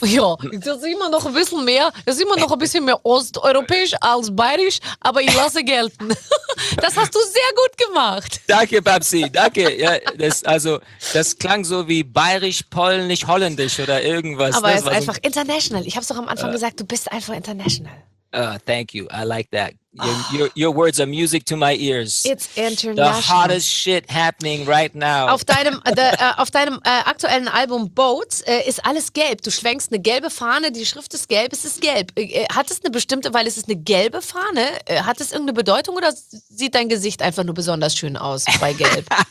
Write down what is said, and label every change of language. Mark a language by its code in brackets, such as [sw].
[de] Ja, das ist immer noch ein bisschen mehr osteuropäisch als bayerisch, aber ich lasse gelten. Das hast du sehr gut gemacht. Danke, Babsi, danke. Ja, das klang so wie bayerisch, polnisch, holländisch oder irgendwas. Aber es ist einfach so international. Ich habe es doch am Anfang gesagt, du bist einfach international. [en] Thank you, I like that. Your words are music to my ears. It's international. The hottest shit happening right now. [de] Auf deinem aktuellen Album Boats ist alles gelb. Du schwenkst eine gelbe Fahne, die Schrift ist gelb, es ist gelb. Hat es irgendeine Bedeutung oder sieht dein Gesicht einfach nur besonders schön aus bei gelb?